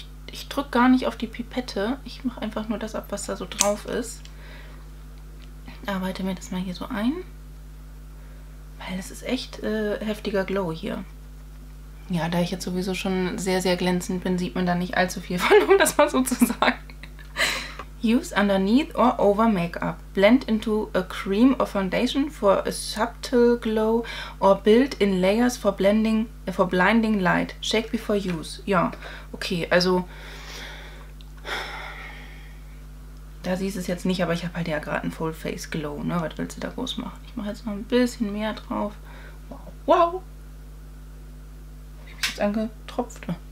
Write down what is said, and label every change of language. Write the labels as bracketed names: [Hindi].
[German] Ich drücke gar nicht auf die Pipette. Ich mache einfach nur das ab, was da so drauf ist. Arbeite mir das mal hier so ein. Weil es ist echt heftiger Glow hier. Ja, da ich jetzt sowieso schon sehr, sehr glänzend bin, sieht man da nicht allzu viel von, um das mal so zu sagen. [English] Use underneath or over makeup. Blend into a cream or foundation for a subtle glow or build in layers for blending for blinding light. Shake before use. [German] Ja, okay, also da siehst du es jetzt nicht, aber ich habe halt ja gerade einen Full Face Glow. Ne? Was willst du da groß machen? Ich mache jetzt noch ein bisschen mehr drauf. Wow, wow. Hab ich mich jetzt angetropft?